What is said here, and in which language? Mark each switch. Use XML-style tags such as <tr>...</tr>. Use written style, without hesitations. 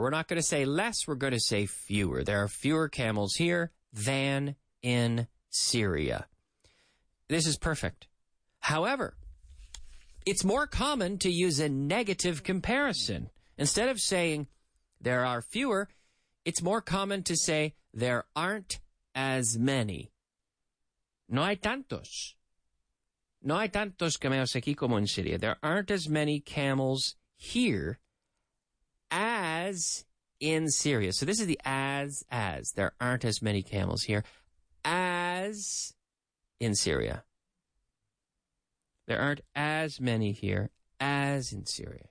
<en>We're not going to say less, we're going to say fewer. There are fewer camels here than in Syria. This is perfect. However, it's more common to use a negative comparison. Instead of saying, there are fewer, it's more common to say there aren't as many.</en> <es>No hay tantos. No hay tantos camellos aquí como en Siria.</es> <en>There aren't as many camels here as in Syria. So this is the as. There aren't as many camels here as in Syria. There aren't as many here as in Syria.</en>